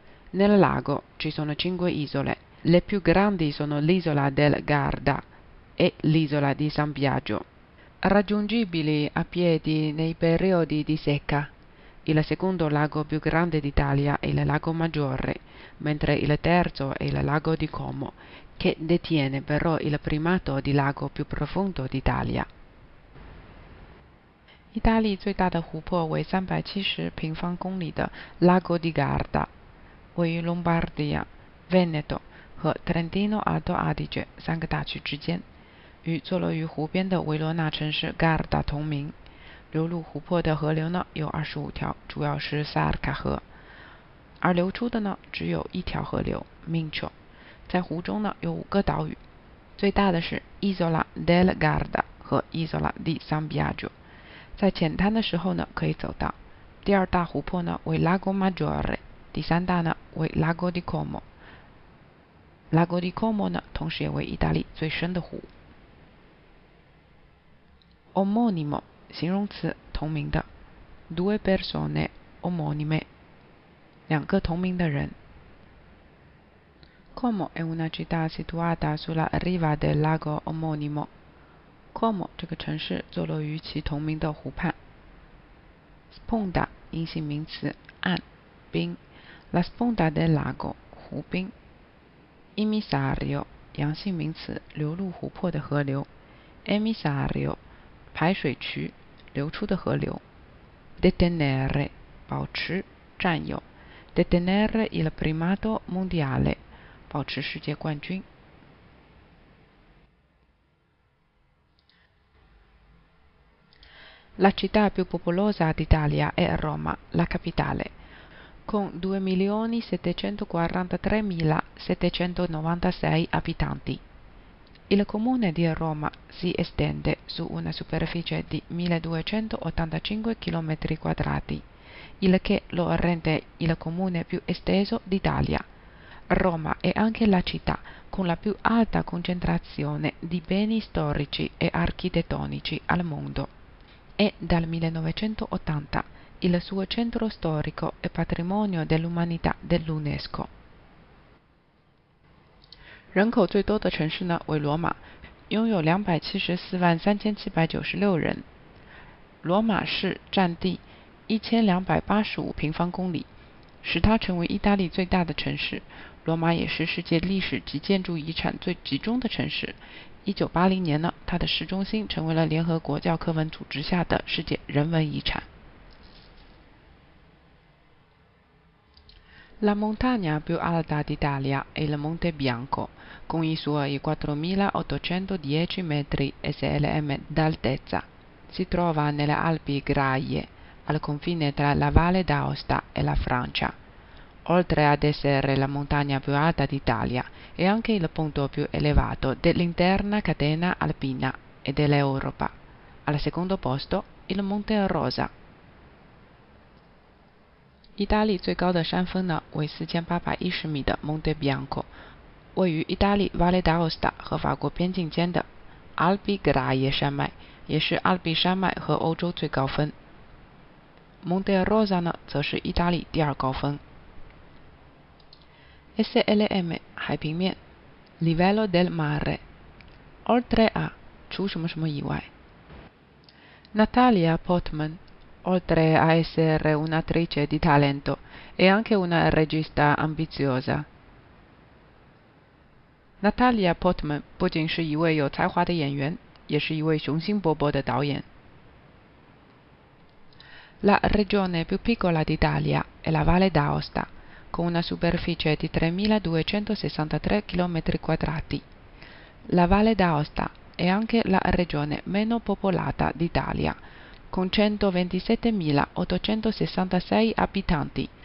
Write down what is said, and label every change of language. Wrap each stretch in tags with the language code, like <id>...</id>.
<it>Nel lago ci sono 5 isole. Le più grandi sono l'isola del Garda e l'isola di San Biagio, raggiungibili a piedi nei periodi di secca. Il secondo lago più grande d'Italia è il Lago Maggiore, mentre il terzo è il Lago di Como, che detiene però il primato di lago più profondo d'Italia.</it> <zh>Italia 最大的湖泊为370平方公里的 Lago di Garda，位于 Lombardia、Veneto 和 Trentino Alto Adige 三个大区之间，与坐落于湖边的维罗纳城市 Garda 同名。流入湖泊的河流呢有25条，主要是萨尔卡河，而流出的呢只有一条河流 Mincio。在湖中呢有5个岛屿，最大的是 Isola del Garda 和 Isola di San Biagio。在浅滩的时候呢可以走到。第二大湖泊呢为 Lago Maggiore，第三大呢为 Lago di Como。 Lago di Como 呢同时也为意大利最深的湖。 Omonimo。 形容词，同名的，</zh> <it>due persone omonime，</it> <zh>两个同名的人。</zh> <it>Como è una città situata sulla riva del lago omonimo。</it> <zh>Como 这个城市坐落于其同名的湖畔。 Sponda 阴性名词，岸、滨。</zh> <it>La sponda del lago</it> <zh>湖滨。 Emissario 阳性名词，流入湖泊的河流。 Emissario 排水渠，流出的河流。 Detenere 保持，占有。</zh> <it>Detenere il primato mondiale</it> <zh>保持世界冠军。</zh> <it>La città più popolosa d'Italia è Roma, la capitale, con 2.743.796 abitanti. Il comune di Roma si estende su una superficie di 1.285 km quadrati, il che lo rende il comune più esteso d'Italia. Roma è anche la città con la più alta concentrazione di beni storici e architettonici al mondo. E dal 1980 il suo centro storico e patrimonio dell'umanità dell'UNESCO.</it> <zh>人口最多的城市呢为罗马，拥有274.3796万人。罗马市占地1285平方公里，使它成为意大利最大的城市。罗马也是世界历史及建筑遗产最集中的城市。 1980年呢，它的市中心成为了联合国教科文组织下的世界人文遗产。</zh> <it>La montagna più alta d'Italia è il Monte Bianco, con i suoi 4.810 metri SLM d'altezza. Si trova nelle Alpi Graie, al confine tra la Valle d'Aosta e la Francia. Oltre ad essere la montagna più alta d'Italia, è anche il punto più elevato dell'interna catena alpina e dell'Europa. Al secondo posto, il Monte Rosa.</it> <zh>意大利最高的山峰呢为4810米的 Monte Bianco， 位于意大利 Valle d'Aosta 和法国边境间的 Alpi Graie 山脉，也是阿尔卑山脉和欧洲最高峰。 Monte Rosa 呢则是意大利第二高峰。 SLM 海平面</zh> <it>Livello del mare</it> <zh>Oltre a 除什么什么以外。</zh> <it>Natalia Portman Oltre a essere un'attrice di talento è anche una regista ambiziosa.</it> <zh>Natalia Portman 不仅是一位有才华的演员，也是一位雄心勃勃的导演。</zh> <it>La regione più piccola d'Italia è la Valle d'Aosta, con una superficie di 3.263 km². La Valle d'Aosta è anche la regione meno popolata d'Italia, con 127.866 abitanti.</it>